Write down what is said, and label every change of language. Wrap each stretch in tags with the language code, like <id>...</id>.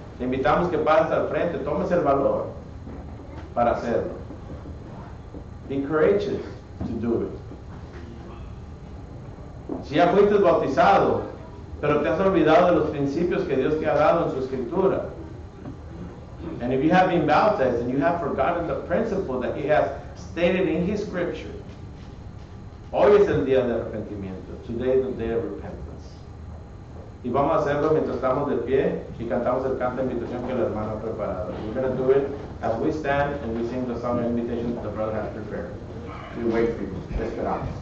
<es>Te invitamos que pases al frente, tomes el valor para hacerlo.</es> <en>Be courageous to do it.</en> <es>Si ya fuiste bautizado, pero te has olvidado de los principios que Dios te ha dado en su escritura.</es> <en>And if you have been baptized and you have forgotten the principle that he has stated in his scripture,</en> <es>hoy es el día de arrepentimiento.</es> <en>Today is the day of repentance.</en> <es>Y vamos a hacerlo mientras estamos de pie y cantamos el canto de invitación que la hermana ha preparado.</es> <en>We're going to do it as we stand and we sing the song of invitation that the brother has prepared. We wait for you.</en> <es>Esperamos.</es>